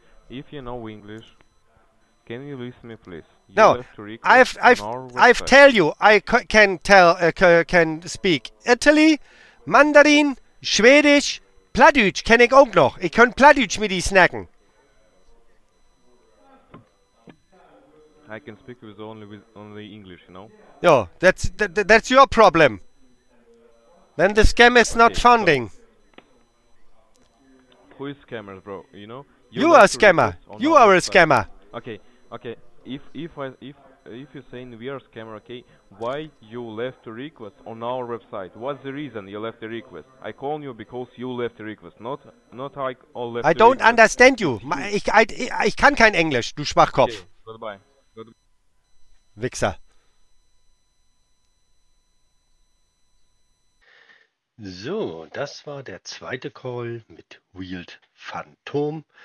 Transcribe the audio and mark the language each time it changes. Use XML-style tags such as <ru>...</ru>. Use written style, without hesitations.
<en>If you know English, can you listen to me, please? No, I've tell you, I can speak Italy, Mandarin,</en> <de>Schwedisch, Plattdeutsch kenne ich auch noch. Ich kann Plattdeutsch mit die snacken.</de> <en>I can speak with only English, you know? No, that's your problem. Then the scam is not okay, funding. So who is scammer, bro? You know? You are a scammer. You are a scammer. Okay. If you're saying we are a scammer, okay, why you left a request on our website? What's the reason you left a request? I call you because you left a request, not I all left. I don't request. Understand you.</en> <de>Ich kann kein Englisch, du Schwachkopf. Okay, goodbye. Wichser. So, das war der zweite Call mit Wild Phantom.</de>